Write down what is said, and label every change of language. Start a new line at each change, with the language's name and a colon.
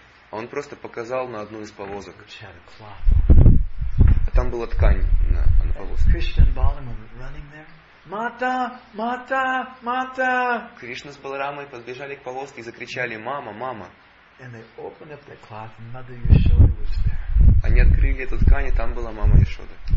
Russian: Он просто показал на одну из повозок. А там была ткань на повозке.
English: Кришна и Баларама running there. Mata, mata, mata.
Russian: Кришна с Баларамой подбежали к повозке и закричали: "Мама, мама!"
English: And they opened up the cloth, and Mother Yashoda was there.
Russian: Они открыли эту ткань, и там была мама Яшода.